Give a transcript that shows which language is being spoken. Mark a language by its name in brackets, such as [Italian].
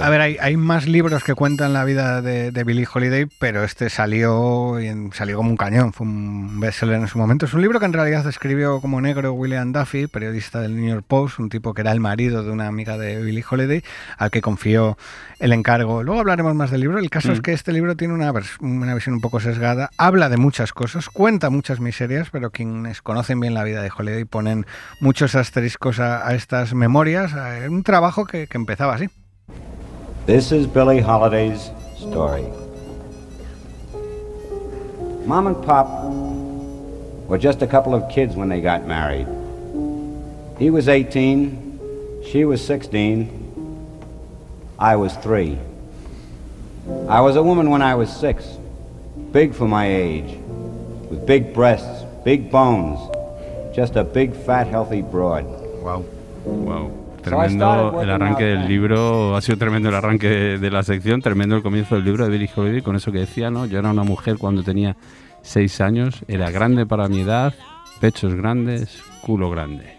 [Spanish] Sí, a ver, hay más libros que cuentan la vida de Billie Holiday, pero este salió como un cañón, fue un bestseller en su momento. Es un libro que en realidad escribió como negro William Duffy, periodista del New York Post, un tipo que era el marido de una amiga de Billie Holiday, al que confió el encargo. Luego hablaremos más del libro. El caso es que este libro tiene una visión un poco sesgada, habla de muchas cosas, cuenta muchas miserias, pero quienes conocen bien la vida de Holiday ponen muchos asteriscos a estas memorias. Un trabajo que empezaba así. [English] This is Billie Holiday's story. Mom and Pop were just a couple of kids when they got married. He was 18, she was 16, I was 3. I was a woman when I was 6, big for my age, with big breasts, big bones, just a big, fat, healthy broad. Wow, wow. [Spanish] Tremendo el arranque del libro, ha sido tremendo el arranque de la sección, tremendo el comienzo del libro de Billie Holiday, con eso que decía, ¿no? Yo era una mujer cuando tenía 6 años, era grande para mi edad, pechos grandes, culo grande.